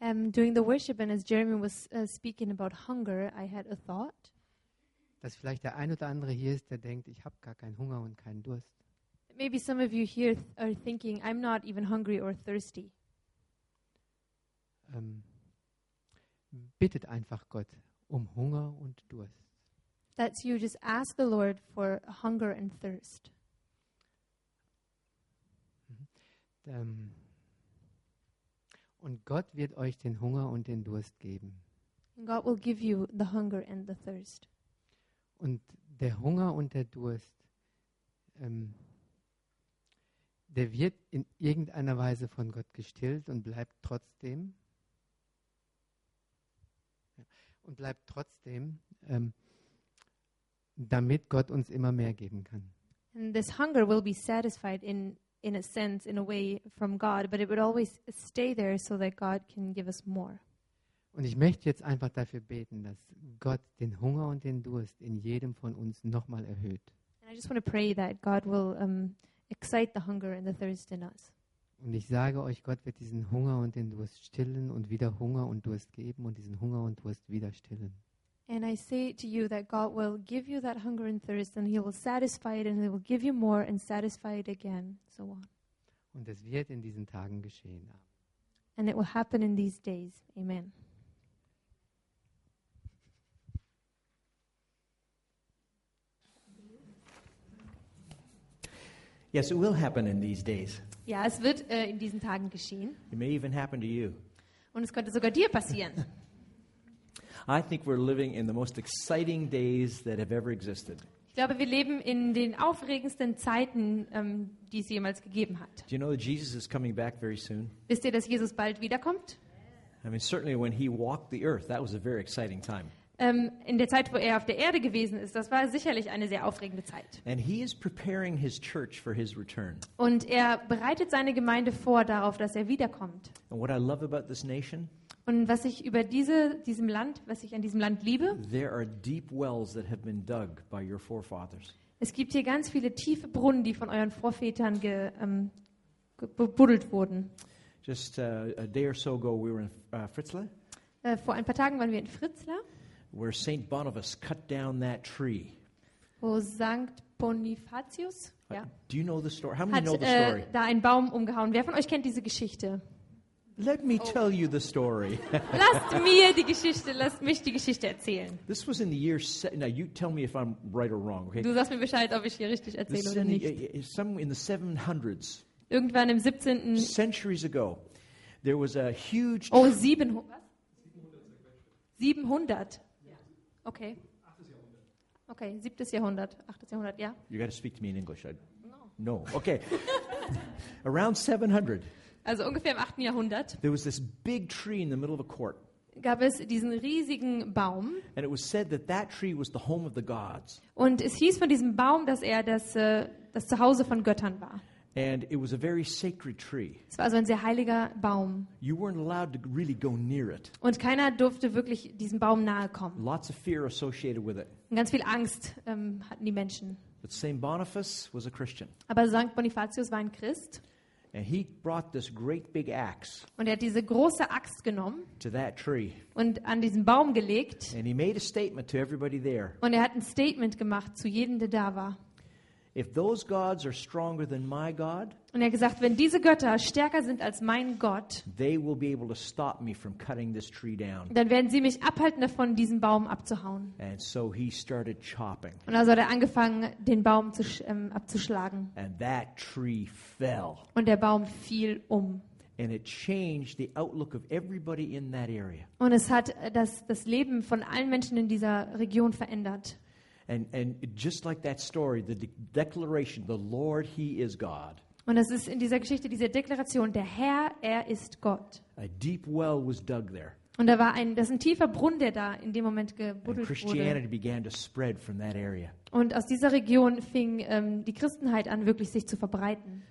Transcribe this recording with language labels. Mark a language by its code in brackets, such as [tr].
[en] During the worship and as Jeremy was speaking about hunger, I had a thought. [de] Dass vielleicht der ein oder andere hier ist, der denkt, ich habe gar keinen Hunger und keinen Durst. [en] Maybe some of you here are thinking, I'm not even hungry or thirsty. [de] Bittet einfach Gott um Hunger und Durst. [en] That's you, just ask the Lord for hunger and thirst. [de] Und Gott wird euch den Hunger und den Durst geben. [en] God will give you the hunger and the thirst. [de] Und der Hunger und der Durst, der wird in irgendeiner Weise von Gott gestillt und bleibt trotzdem. Und bleibt trotzdem, damit Gott uns immer mehr geben kann. [en] And this hunger will be satisfied in a sense, in a way from God, but it would always stay there so that God can give us more. [de] Und ich möchte jetzt einfach dafür beten, dass Gott den Hunger und den Durst in jedem von uns nochmal erhöht. [en] And I just want to pray that God will excite the hunger and the thirst in us. [de] Und ich sage euch, Gott wird diesen Hunger und den Durst stillen und wieder Hunger und Durst geben und diesen Hunger und Durst wieder stillen. [en] And I say to you that God will give you that hunger and thirst and he will satisfy it and he will give you more and satisfy it again, so on. [de] Und es wird in diesen Tagen geschehen. [en] And it will happen in these days. Amen. Yes, it will happen in these days. [de] Ja, es wird in diesen Tagen geschehen. [en] It may even happen to you. [de] Und es könnte sogar dir passieren. [en] I think we're living in the most exciting days that have ever existed. [de] Ich glaube, wir leben in den aufregendsten Zeiten, die es jemals gegeben hat. [en] Do you know that Jesus is coming back very soon? [de] Wisst ihr, dass Jesus bald wiederkommt? [en] I mean, certainly when he walked the earth, that was a very exciting time. [de] In der Zeit, wo er auf der Erde gewesen ist, das war sicherlich eine sehr aufregende Zeit. [en] And he is preparing his church for his return. [de] Und er bereitet seine Gemeinde vor darauf, dass er wiederkommt. [en] And what I love about this nation, [de] und was ich über diesem Land, was ich an diesem Land liebe, [en] there are deep wells that have been dug by your forefathers. [de] Es gibt hier ganz viele tiefe Brunnen, die von euren Vorvätern gebuddelt wurden. [en] Just a day or so ago we were in Fritzlar. [de] Vor ein paar Tagen waren wir in Fritzlar. [en] Where Saint Boniface cut down that tree. [de] Wo Sankt Bonifatius? Ja. [en] Do you know the story? How many [de] hat, [en] know the story? [de] Hat da einen Baum umgehauen. Wer von euch kennt diese Geschichte? [en] Let me tell you the story. [de] lasst mich die Geschichte erzählen. [en] This was in the year now you tell me if I'm right or wrong, okay? [de] Du sagst mir Bescheid, ob ich hier richtig erzähle oder nicht. [en] Some in the 700s. [de] Irgendwann im 17. [en] Centuries ago. There was a huge [de] Oh, 700. Was? 700. Okay. 8. Okay, 7. Jahrhundert, 8. Jahrhundert, ja. [en] You got to speak to me in English. No. Okay. Around 700. [de] Also ungefähr im 8. Jahrhundert. [en] There was this big tree in the middle of a court. [de] Gab es diesen riesigen Baum? [en] And it was said that that tree was the home of the gods. [de] Und es hieß von diesem Baum, dass er das Zuhause von Göttern war. [en] And it was a very sacred tree. [de] Es war also ein sehr heiliger Baum. [en] You weren't allowed to really go near it. [de] Und keiner durfte wirklich diesem Baum nahe kommen. [en] Lots of fear associated with it. [de] Und ganz viel Angst hatten die Menschen. [en] But Saint Boniface was a Christian. [de] Aber Sankt Bonifatius war ein Christ. [en] And he brought this great big axe. [de] Und er hat diese große Axt genommen. [en] To that tree. [de] Und an diesen Baum gelegt. [en] And he made a statement to everybody there. [de] Und er hat ein Statement gemacht zu jedem, der da war. [en] If those gods are stronger than my God, [de] und er hat gesagt, wenn diese Götter stärker sind als mein Gott, [en] they will be able to stop me from cutting this tree down. [de] Dann werden sie mich abhalten davon, diesen Baum abzuhauen. [en] And so he started chopping. [de] Und also hat er angefangen, den Baum abzuschlagen. [en] And that tree fell. [de] Und der Baum fiel um. [en] And it changed the outlook of everybody in that area. [de] Und es hat das Leben von allen Menschen in dieser Region verändert. [en] And just like that story, the declaration, the Lord, He is God. [de] Und es ist in dieser Geschichte diese Deklaration, der Herr, er ist Gott. [en] A deep well was dug there. [de] Und da war ein tiefer Brunnen, der da in dem Moment gebuddelt wurde. [en] Christianity began to spread from that area. [de] Und aus dieser Region fing die Christenheit an, wirklich sich zu verbreiten.